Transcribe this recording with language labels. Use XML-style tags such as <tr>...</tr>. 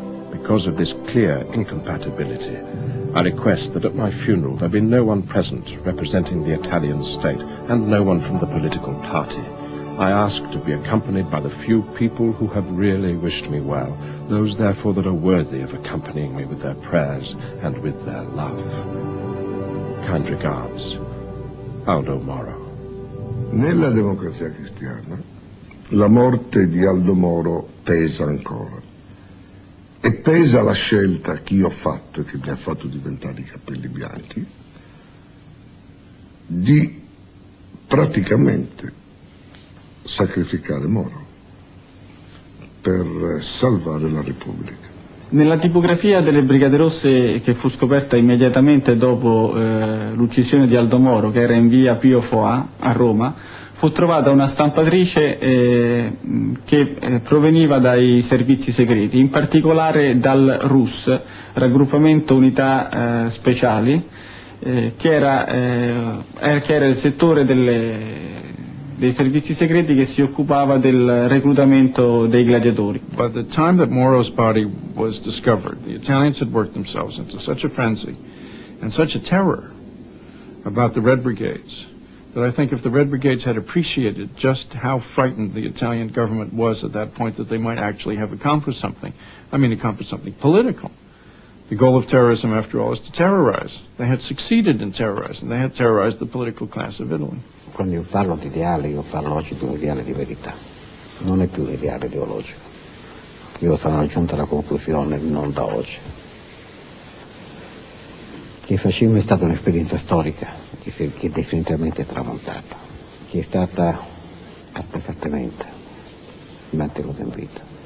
<en>Because of this clear incompatibility, I request that at my funeral there be no one present representing the Italian state and no one from the political party. I ask to be accompanied by the few people who have really wished me well, those therefore that are worthy of accompanying me with their prayers and with their love. Kind regards, Aldo Moro.</en> <it>Nella Democrazia Cristiana, la morte di Aldo Moro pesa ancora. E pesa la scelta che io ho fatto e che mi ha fatto diventare i capelli bianchi, di praticamente sacrificare Moro per salvare la Repubblica. Nella tipografia delle Brigate Rosse, che fu scoperta immediatamente dopo l'uccisione di Aldo Moro, che era in via Pio Foa a Roma, fu trovata una stampatrice che proveniva dai servizi segreti, in particolare dal RUS, Raggruppamento Unità Speciali, che era il settore dei servizi segreti che si occupava del reclutamento dei gladiatori.</it> <en>By the time that Moro's body was discovered, the Italians had worked themselves into such a frenzy and such a terror about the Red Brigades that I think if the Red Brigades had appreciated just how frightened the Italian government was at that point, that they might actually have accomplished something political. The goal of terrorism, after all, is to terrorize. They had succeeded in terrorizing. They had terrorized the political class of Italy.</en> <it>Quando io parlo di ideale, io parlo oggi di un ideale di verità. Non è più l'ideale ideologico. Io sono raggiunto alla conclusione, non da oggi, che il fascismo è stata un'esperienza storica che è definitivamente tramontata, che è stata perfettamente mantenuta in vita.</it>